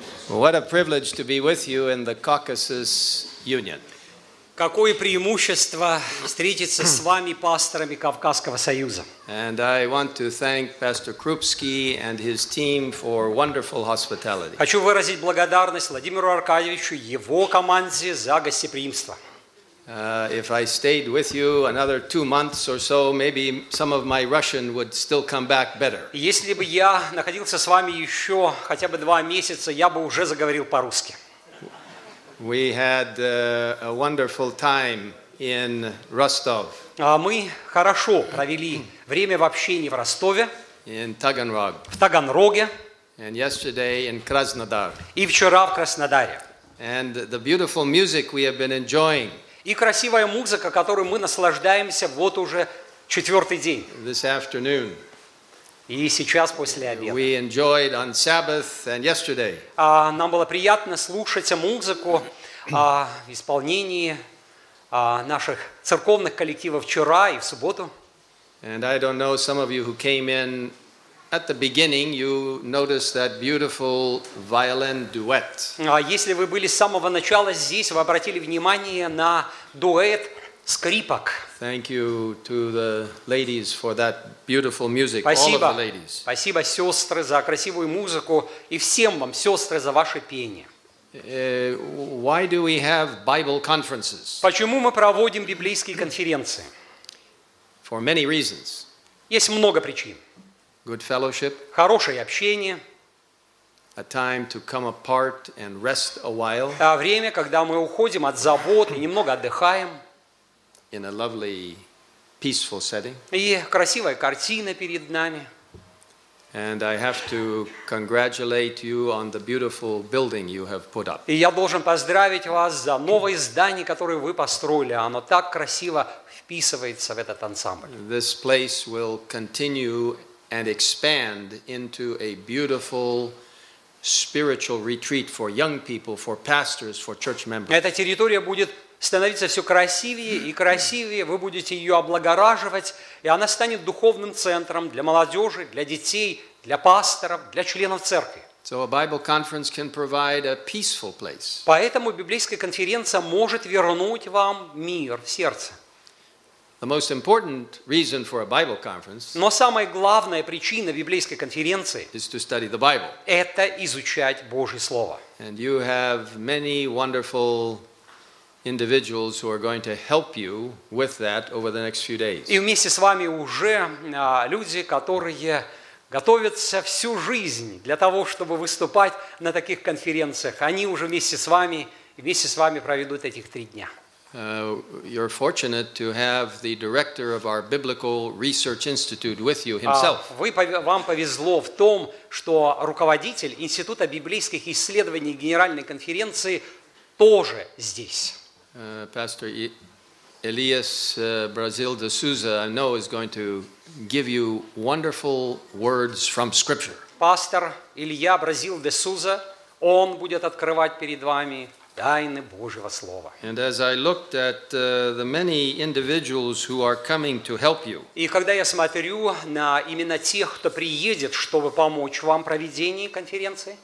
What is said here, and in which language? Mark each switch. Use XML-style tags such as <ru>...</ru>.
<en>What a privilege to be with you in the Caucasus Union.</en> <ru>Какое преимущество встретиться с вами, пасторами Кавказского Союза.</ru> <en>And I want to thank Pastor Krupski and his team for wonderful hospitality.</en> <ru>Хочу выразить благодарность Владимиру Аркадьевичу и его команде за гостеприимство.</ru> <en>If I stayed with you another 2 months or so, maybe some of my Russian would still come back better.</en> <ru>Если бы я находился с вами еще хотя бы 2 месяца, я бы уже заговорил по-русски.</ru> <en>We had a wonderful time in Rostov.</en> <ru>Мы хорошо провели время в общении в Ростове.</ru> <en>In Taganrog.</en> <ru>В Таганроге.</ru> <en>And yesterday in Krasnodar.</en> <ru>И вчера в Краснодаре.</ru> <en>And the beautiful music we have been enjoying.</en> <ru>И красивая музыка, которой мы наслаждаемся вот уже 4-й день.</ru> <en>This afternoon.</en> <ru>И сейчас, после обеда.</ru> <en>We enjoyed on Sabbath and yesterday.</en> <ru>Нам было приятно слушать музыку в исполнении наших церковных коллективов вчера и в субботу.</ru> <en>And I don't know, some of you who came in at the beginning, you noticed that beautiful violin duet.</en> <ru>Если вы были с самого начала здесь, вы обратили внимание на дуэт скрипок.</ru> <en>Thank you to the ladies for that beautiful music.</en> <ru>Спасибо.</ru> <en>All of the ladies.</en> <ru>Спасибо, сестры, за красивую музыку и всем вам, сестры, за ваше пение.</ru> <en>Why do we have Bible conferences?</en> <ru>Почему мы проводим библейские конференции?</ru> <en>For many reasons.</en> <ru>Есть много причин.</ru> <en>Good fellowship.</en> <ru>Хорошее общение.</ru> <en>A time to come apart and rest a while.</en> <ru>А время, когда мы уходим от забот и немного отдыхаем.</ru> <en>In a lovely, peaceful setting.</en> <ru>И красивая картина перед нами.</ru> <en>And I have to congratulate you on the beautiful building you have put up.</en> <ru>И я должен поздравить вас за новое здание, которое вы построили. Оно так красиво вписывается в этот ансамбль.</ru> <en>This place will continue and expand into a beautiful spiritual retreat for young people, for pastors, for church members.</en> <ru>Эта территория будет становиться все красивее и красивее, вы будете ее облагораживать, и она станет духовным центром для молодежи, для детей, для пасторов, для членов церкви.</ru> <en>So a Bible conference can provide a peaceful place.</en> <ru>Поэтому библейская конференция может вернуть вам мир в сердце.</ru> <en>The most important reason for a Bible conference.</en> <ru>Но самая главная причина библейской конференции.</ru> <en>Is to study the Bible.</en> <ru>Это изучать Божье слово.</ru> <en>And you have many wonderful individuals who are going to help you with that over the next few days.</en> <ru>И вместе с вами уже люди, которые готовятся всю жизнь для того, чтобы выступать на таких конференциях. Они уже вместе с вами проведут этих 3 дня.</ru> <en>You're fortunate to have the director of our Biblical Research Institute with you himself.</en> <ru>Вам повезло в том, что руководитель Института библейских исследований Генеральной конференции тоже здесь.</ru> <en>Pastor Elias Brazil de Souza, I know, is going to give you wonderful words from Scripture.</en> <ru>Пастор Илья Бразил де Суза, он будет открывать перед вами тайны Божьего слова.</ru> <en>And as I looked at the many individuals who are coming to help you.</en> <ru>И когда я смотрю на именно тех, кто приедет, чтобы помочь вам в проведении конференции.</ru>